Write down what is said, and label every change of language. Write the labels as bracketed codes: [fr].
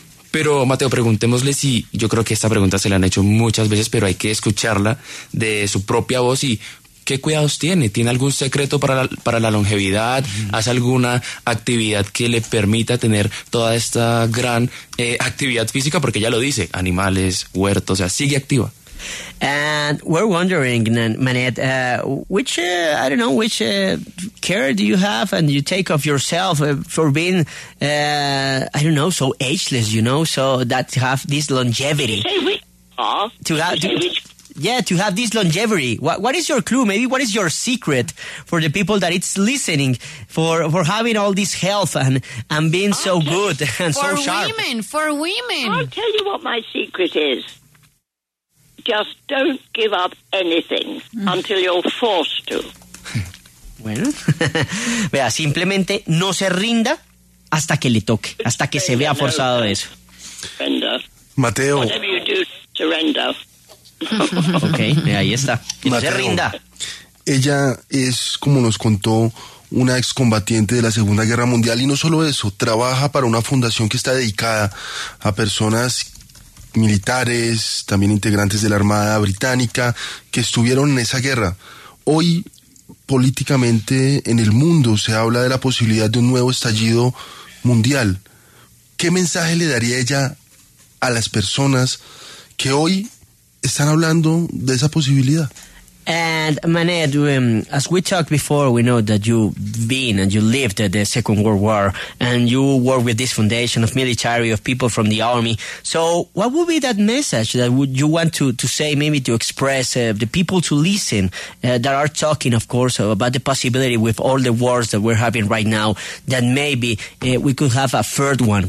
[es] Pero Mateo, preguntémosle, si yo creo que esta pregunta se la han hecho muchas veces, pero hay que escucharla de su propia voz. Y ¿qué cuidados tiene? ¿Tiene algún secreto para la longevidad? ¿Hace alguna actividad que le permita tener toda esta gran actividad física? Porque ya lo dice, animales, huertos, o sea, sigue activa. [en] And we're wondering, Manette, which care do you have and you take of yourself for being, so ageless, you know, so that you have this longevity? To have this longevity. What is your clue? Maybe what is your secret for the people that it's listening for having all this health and being so good and so sharp? For women. I'll tell you what my secret is. Just don't give up anything until you're forced to. [es] Bueno, vea, simplemente no se rinda hasta que le toque, hasta que se vea forzado de eso. [en] Surrender. [es] Mateo. [en] Whatever you do, surrender. [es] Ok, ahí está. Mateo, se rinda. Ella es, como nos contó, una excombatiente de la Segunda Guerra Mundial, y no solo eso, trabaja para una fundación que está dedicada a personas militares, también integrantes de la Armada Británica, que estuvieron en esa guerra. Hoy políticamente en el mundo. Se habla de la posibilidad de un nuevo estallido mundial. ¿Qué mensaje le daría ella a las personas que hoy están hablando de esa posibilidad? [en] And Manet, as we talked before, we know that you've been and you lived the Second World War, and you work with this foundation of military, of people from the army. So what would be that message that would you want to say, maybe to express the people to listen that are talking, of course, about the possibility with all the wars that we're having right now, that maybe we could have a third one?